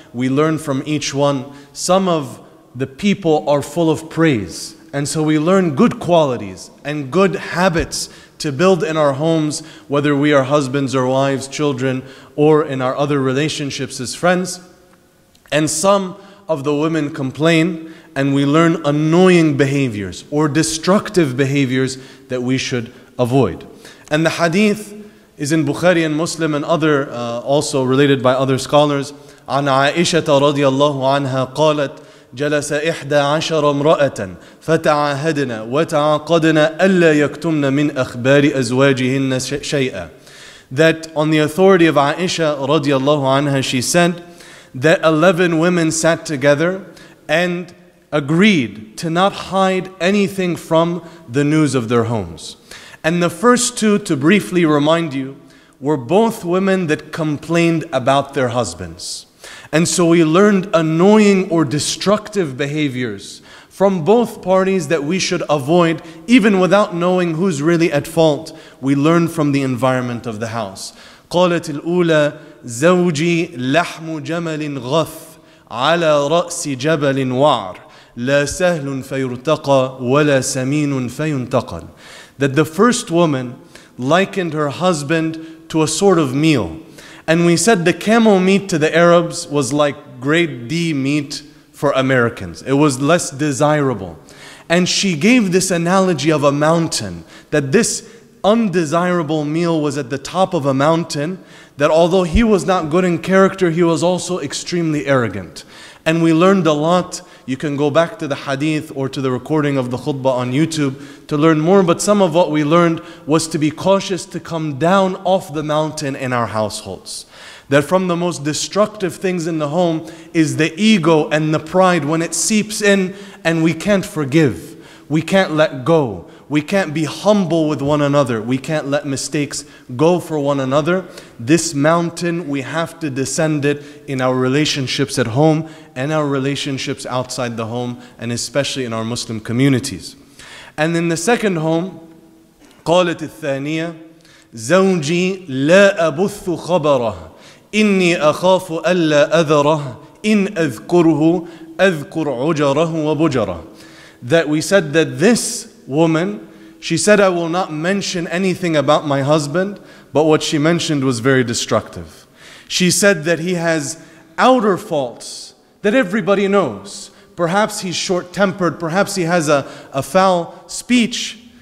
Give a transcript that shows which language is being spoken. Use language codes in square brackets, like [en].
[en] We learn from each one. Some of the people are full of praise, and so we learn good qualities and good habits to build in our homes, whether we are husbands or wives, children, or in our other relationships as friends. And some of the women complain, and we learn annoying behaviors or destructive behaviors that we should avoid. And the hadith is in Bukhari and Muslim and other also related by other scholars. [ar] عن عائشة رضي الله عنها قالت جلس إحدى عشر امرأة فتعاهدنا وتعاقدنا ألا يكتمن من أخبار أزواجهن شيئا. [en] That on the authority of Aisha [ar] رضي الله عنها, [en] she said that 11 women sat together and agreed to not hide anything from the news of their homes. And the first two, to briefly remind you, were both women that complained about their husbands. And so we learned annoying or destructive behaviors from both parties that we should avoid, even without knowing who's really at fault. We learn from the environment of the house. [ar] قالت الأولى زوجي لحم جمل غث على رأس جبل وعر لا سهل فيرتقى ولا سمين فينتقل. [en] That the first woman likened her husband to a sort of meal. And we said the camel meat to the Arabs was like grade D meat for Americans. It was less desirable. And she gave this analogy of a mountain, that this undesirable meal was at the top of a mountain, that although he was not good in character, he was also extremely arrogant. And we learned a lot. You can go back to the hadith or to the recording of the khutbah on YouTube to learn more. But some of what we learned was to be cautious to come down off the mountain in our households. That from the most destructive things in the home is the ego and the pride when it seeps in and we can't forgive. We can't let go. We can't be humble with one another. We can't let mistakes go for one another. This mountain, we have to descend it in our relationships at home and our relationships outside the home, and especially in our Muslim communities. And in the second home, [ar] قالت الثانية زوجي لا أبث خبره إني أخاف ألا أذره إن أذكره أذكر عجره وبجره. [en] That we said that this woman, she said, I will not mention anything about my husband, but what she mentioned was very destructive. She said that he has outer faults that everybody knows. Perhaps he's short-tempered, perhaps he has a foul speech.